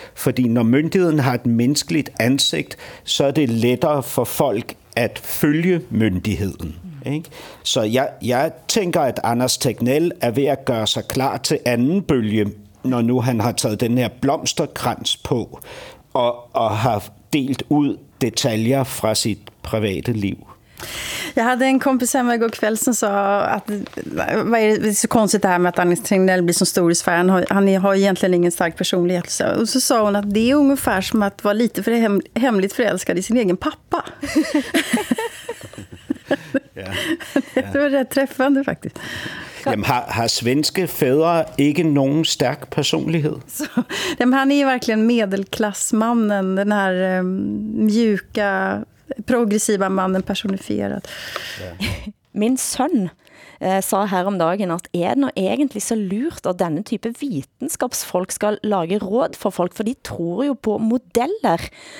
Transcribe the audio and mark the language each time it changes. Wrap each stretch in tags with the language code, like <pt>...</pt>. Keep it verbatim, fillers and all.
<da>Fordi når myndigheden har et menneskeligt ansigt, så er det lettere for folk at følge myndigheden. Ikke? Så jeg, jeg tænker, at Anders Tegnell er ved at gøre sig klar til anden bølge, når nu han har taget den her blomsterkrans på og, og har delt ud detaljer fra sit private liv.</da> <sv>Jag hade en kompis hemma igår kväll som sa att vad är det så konstigt det här med att Anders Tegnell blir så stor i sfären, han har egentligen ingen stark personlighet. Och så sa hon att det är ungefär som att vara lite för hem, hemligt förälskad i sin egen pappa. Ja, ja. Det var rätt träffande faktiskt.</sv> <da>Jamen, har, har svenske fædre ikke nogen stærk personlighed?</da> <sv>Så, jamen, han är ju verkligen medelklassmannen, den här um, mjuka progressiva mannen personifierad. Ja.</sv> <no>Min søn eh, sa her om dagen at er det nå egentlig så lurt at denne type vitenskapsfolk skal lage råd for folk, for de tror jo på modeller.</no>